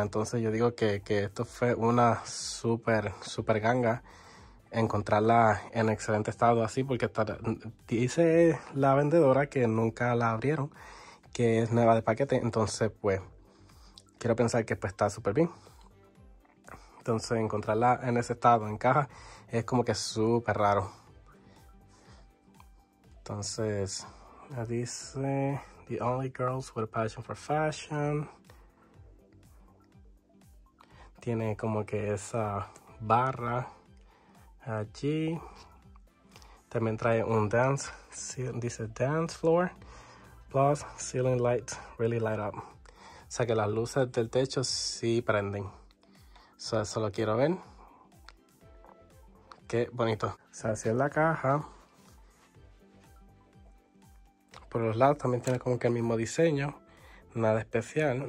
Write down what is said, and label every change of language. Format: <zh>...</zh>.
<es>Entonces yo digo que esto fue una súper, súper ganga encontrarla en excelente estado así, porque dice la vendedora que nunca la abrieron, que es nueva de paquete. Entonces pues quiero pensar que pues está súper bien. Entonces encontrarla en ese estado, en caja, es como que súper raro. Entonces, dice,</es> <en>the only girls with a passion for fashion.</en> <es>Tiene como que esa barra allí. También trae un</es> <en>dance floor. Plus, ceiling lights really light up.</en> <es>O sea que las luces del techo sí prenden.</es> <en>So,</en> <es>eso lo quiero ver. Qué bonito. O sea, así es la caja. Por los lados también tiene como que el mismo diseño, nada especial.</es>